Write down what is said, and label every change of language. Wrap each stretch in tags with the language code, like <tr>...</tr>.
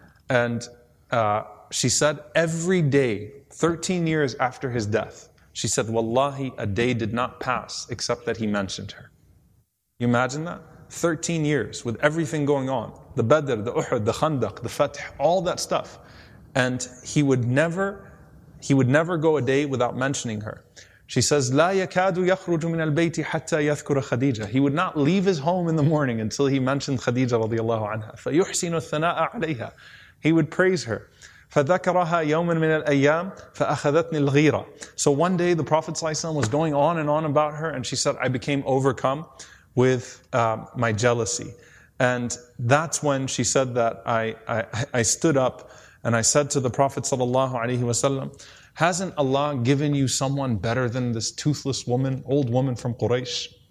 <en>And she said, every day, 13 years after his death, she said, wallahi, a day did not pass except that he mentioned her. You imagine that? 13 years with everything going on, the Badr, the Uhud, the Khandaq, the Fatih, all that stuff. And he would never go a day without mentioning her. She says,</en> <ar>لا يكاد يخرج من البيت حتى يذكر خديجة.</ar> <en>He would not leave his home in the morning until he mentioned خديجة رضي الله عنها.</en> <ar>فيحسن الثناء عليها.</ar> <en>He would praise her.</en> <ar>فذكرها يوما من الأيام فأخذتني الغيرة.</ar> <en>So one day the Prophet ﷺ was going on and on about her, and she said, I became overcome with my jealousy. And that's when she said that I stood up and I said to the Prophet sallallahu alaihi wasallam, hasn't Allah given you someone better than this toothless woman, old woman from Quraysh?</en>